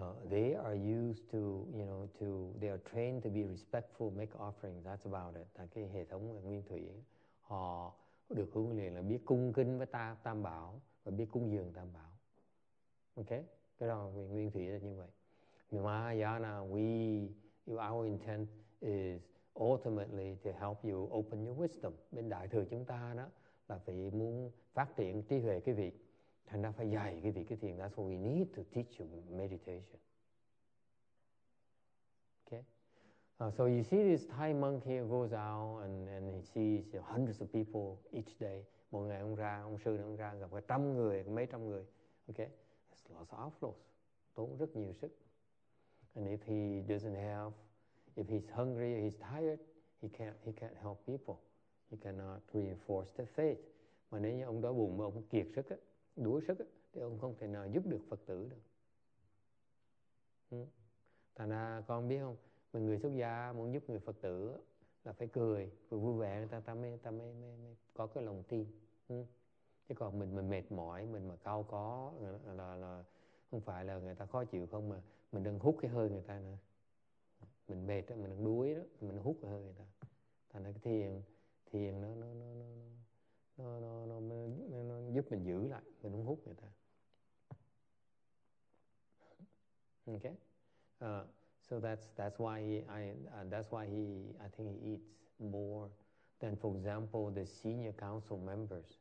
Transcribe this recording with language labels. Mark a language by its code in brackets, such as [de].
[en] They are used to, you know, to they are trained to be respectful, make offerings. That's about it. [vi] Là cái hệ thống nguyên thủy, họ được huấn luyện là biết cung kính với tam bảo và biết cúng dường tam bảo. Okay, cái đó là nguyên thủy là như vậy. [en] Mahayana, our intent is ultimately to help you open your wisdom. [vi] Bên đại thừa chúng ta đó là phải muốn phát triển trí huệ cái việc. Thành ra phải dạy cái việc cái thiền. [en] That's what we need to teach you meditation. Okay? So you see this Thai monk here goes out and he sees hundreds of people each day. [vi] Một ngày ông ra, ông sư ông ra gặp 100 người, mấy trăm người. [en] Okay? It's lots of outflows. [vi] Tốn rất nhiều sức. [en] And if he doesn't have, if he's hungry, he's tired, he can't help people. He cannot reinforce the faith. [vi] Mà nếu như ông đó buồn mà ông kiệt sức á, đuối sức ấy, thì ông không thể nào giúp được Phật tử được. Thành ra con biết không, mình người xuất gia muốn giúp người Phật tử là phải cười, phải vui vẻ, ta mới có cái lòng tin. Chứ còn mình mà mệt mỏi, mình mà cau có là không phải là người ta khó chịu không, mà mình đang hút cái hơi người ta nữa. Mình mệt đó, mình đang đuối đó, mình hút cái hơi người ta. Thành ra cái thiền nó giúp mình giữ lại, mình không hút người ta. [en] Okay, so that's why I think he eats more than, for example, the senior council members.